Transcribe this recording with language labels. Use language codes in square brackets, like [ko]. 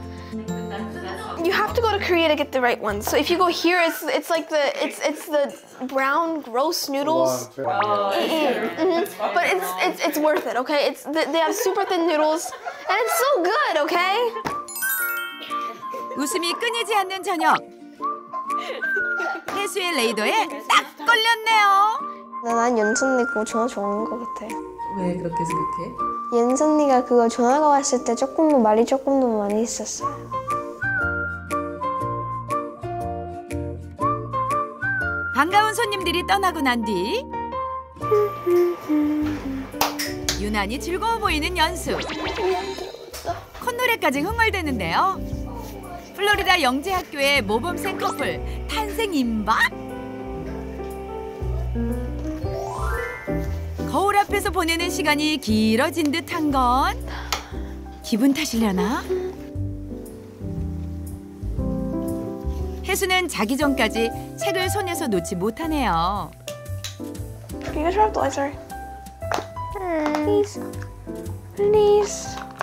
[en] You have to go to Korea to get the right ones. So if you go here, it's like the it's the brown gross noodles. But it's worth it, okay? They have super thin noodles, and it's so good, okay? [ko] 웃음이 끊이지 않는 저녁. 혜수의 레이더에 딱 걸렸네요. 난 연순이고 정말 좋은 것 같아. 왜 그렇게 생각해? 연순이가 그거 전화가 왔을 때 조금 더 많이 했었어요. 반가운 손님들이 떠나고 난 뒤 유난히 즐거워 보이는 연수. 콧노래까지 흥얼대는데요. 플로리다 영재 학교의 모범생 커플 탄생 임박. 거울 앞에서 보내는 시간이 길어진 듯한 건 기분 탓이려나? 혜수는 자기 전까지 책을 손에서 놓지 못하네요. [en] Can you turn off the lights, sorry? Please.